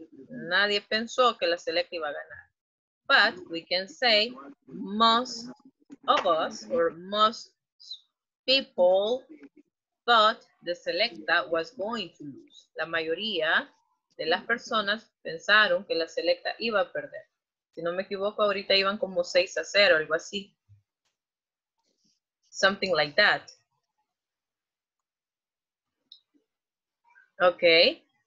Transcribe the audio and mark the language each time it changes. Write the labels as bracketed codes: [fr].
[es] Nadie pensó que la selecta iba a ganar. [en] But we can say most of us or most people thought the selecta was going to lose. [es] La mayoría de las personas pensaron que la selecta iba a perder. Si no me equivoco, ahorita iban como 6-0, algo así. [en] Something like that. Okay.